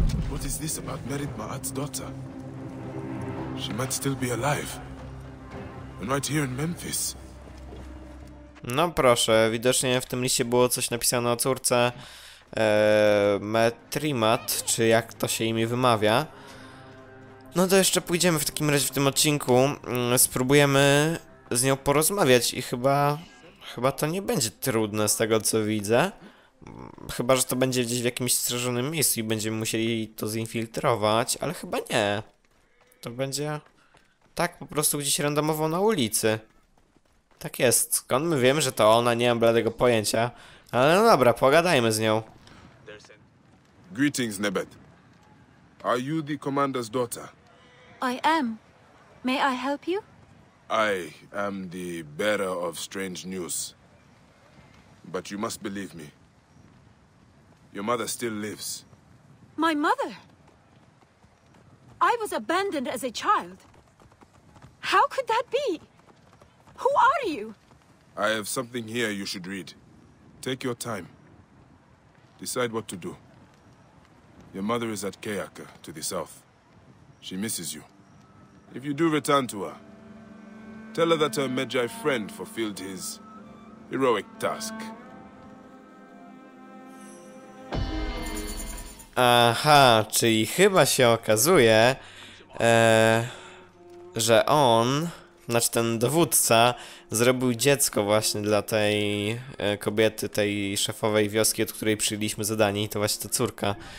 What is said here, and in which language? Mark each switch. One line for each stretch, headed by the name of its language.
English: What is this about Merit Ma'at's daughter? She might still be alive. And right here in Memphis.
Polish: No proszę, widocznie w tym liście było coś napisane o córce Metrimat, czy jak to się imię wymawia. No to jeszcze pójdziemy w takim razie w tym odcinku, spróbujemy z nią porozmawiać i chyba to nie będzie trudne z tego co widzę. Chyba, że to będzie gdzieś w jakimś strzeżonym miejscu i będziemy musieli to zinfiltrować, ale chyba nie. To będzie tak po prostu gdzieś randomowo na ulicy. Tak jest, skąd my wiemy, że to ona, nie mam bladego pojęcia. Ale no dobra, pogadajmy z nią.
English: Greetings, Nebet. Are you the commander's daughter? I am. May I help you? I am the bearer of strange news. But you must believe me. Your mother still lives. My mother? I was abandoned as a child. How could that be? Who are you? I have something here you should read. Take your time. Decide what to do. Your mother is at Keaka, to the south. She misses you. If you do return to her, tell her that her Magi friend fulfilled his heroic task.
Polish: Aha, czyli chyba się okazuje, że on, znaczy ten dowódca, zrobił dziecko właśnie dla tej kobiety, tej szefowej wioski, od której przyjęliśmy zadanie i to właśnie ta córka.